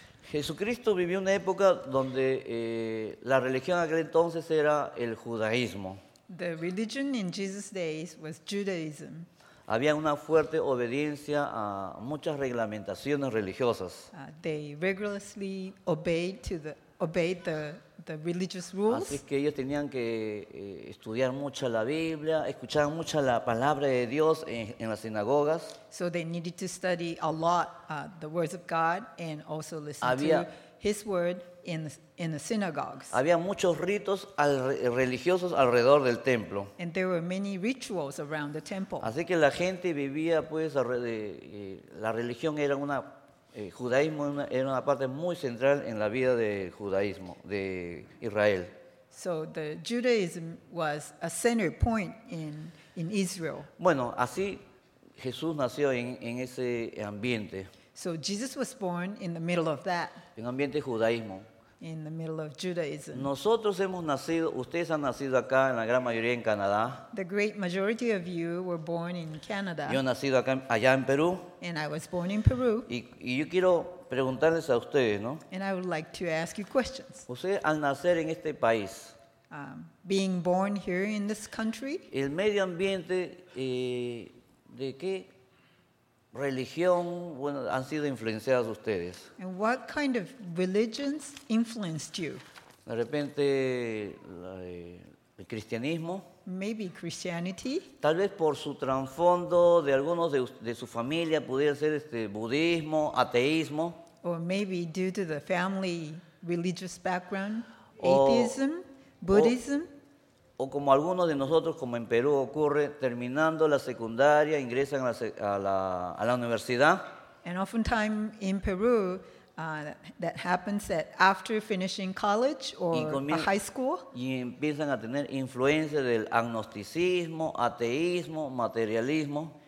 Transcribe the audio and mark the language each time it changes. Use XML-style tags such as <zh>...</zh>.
<es>Jesucristo vivió una época donde la religión aquel entonces era el judaísmo.</es> <en>The religion in Jesus' days was Judaism.</en> <es>Había una fuerte obediencia a muchas reglamentaciones religiosas.</es> <en>They rigorously obeyed the religious rules.</en> <es>Así es que ellos tenían que estudiar mucho la Biblia, escuchar mucho la palabra de Dios en las sinagogas.</es> <en>So they needed to study a lot the words of God and also listen to His word in the synagogues.</en> <es>Había muchos ritos religiosos alrededor del templo.</es> <en>And there were many rituals around the temple.</en> <es>Así que la gente vivía pues la religión era una judaísmo era una parte muy central en la vida del judaísmo de Israel.</es> <en>So the Judaism was a center point in Israel.</en> <es>Bueno, así Jesús nació en ese ambiente.</es> <en>So Jesus was born in the middle of that.</en> <es>En ambiente judaísmo.</es> <en>In the middle of Judaism.</en> <es>Nosotros hemos nacido, ustedes han nacido acá en la gran mayoría en Canadá.</es> <en>The great majority of you were born in Canada.</en> <es>Yo he nacido acá, allá en Perú.</es> <en>And I was born in Peru.</en> <es>Y yo quiero preguntarles a ustedes, ¿no?</es> <en>And I would like to ask you questions.</en> <es>Usted al nacer en este país.</es> <en>Being born here in this country.</en> <es>El medio ambiente de qué religión, bueno, han sido influenciados ustedes.</es> <en>And what kind of religions influenced you?</en> <es>De repente, el cristianismo.</es> <en>Maybe Christianity.</en> <es>Tal vez por su trasfondo de algunos de su familia pudiera ser budismo, ateísmo.</es> <en>Or maybe due to the family religious background, atheism, Buddhism.</en> <es>O como algunos de nosotros, como en Perú ocurre, terminando la secundaria, ingresan a la universidad.</es> <en>And oftentimes in Peru, that happens that after finishing college or high school,</en> <es>y empiezan a tener influencia del agnosticismo, ateísmo, materialismo.</es>